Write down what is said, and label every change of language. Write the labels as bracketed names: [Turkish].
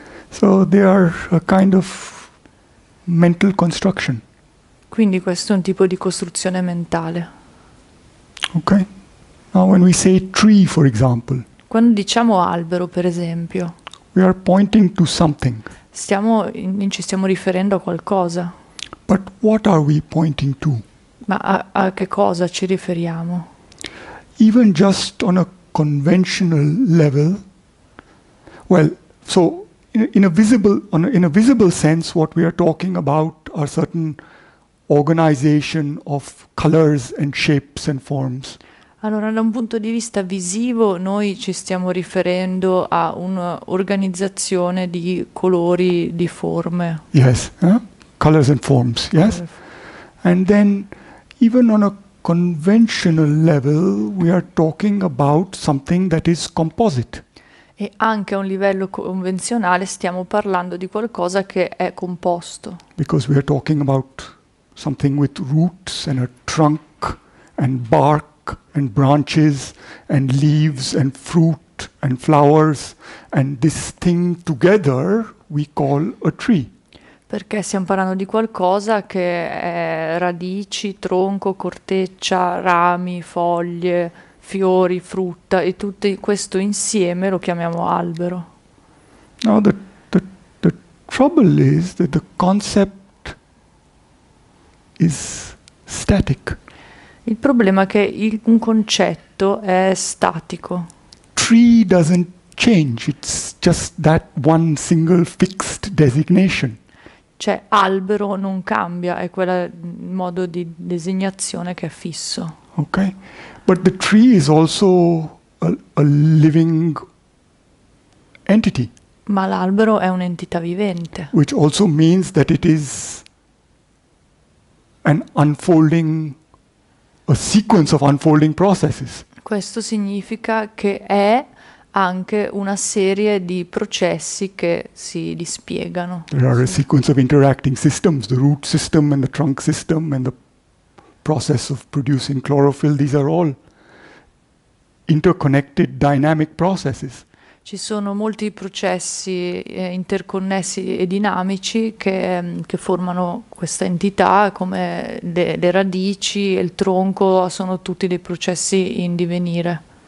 [English] So they are a kind of mental construction. [Italian] Quindi questo è un tipo di costruzione mentale. [English] Okay. Now, when we say tree, for example, [Italian] Quando diciamo albero, per esempio, [English] we are pointing to something. [Italian] ci stiamo riferendo a qualcosa. [English] But what are we pointing to? [Italian] Ma a che cosa ci riferiamo? [English] Even just on a conventional level, well, so in a visible sense, what we are talking about are certain organization of colors and shapes and forms. [Italian] Allora, da un punto di vista visivo, noi ci stiamo riferendo a un'organizzazione di colori, di forme. [English] Yes, eh? Colors and forms, yes. And then even on a conventional level, we are talking about something that is composite. [Italian] E anche a un livello convenzionale stiamo parlando di qualcosa che è composto. [English] Because we are talking about something with roots and a trunk and bark and branches and leaves and fruit and flowers, and this thing together we call a tree. [Italian] Perché stiamo parlando di qualcosa che è radici, tronco, corteccia, rami, foglie, fiori, frutta e tutto questo insieme lo chiamiamo albero. [English] Now the trouble is that the concept is static. [Italian] Il problema è che un concetto è statico. [English] Tree doesn't change, it's just that one single fixed designation. [Italian] Cioè, albero non cambia, è quel modo di designazione che è fisso. [English] Ok, but the tree is also a living entity. [Italian] Ma l'albero è un'entità vivente. [English] Which also means that it is an unfolding, a sequence of unfolding processes. [Italian] Questo significa che è anche una serie di processi che si dispiegano. [English] There are a sequence of interacting systems, the root system and the trunk system and the process of producing chlorophyll. These are all interconnected dynamic processes. [Italian] Ci sono molti processi interconnessi e dinamici che formano questa entità, come le radici e il tronco, sono tutti dei processi in divenire.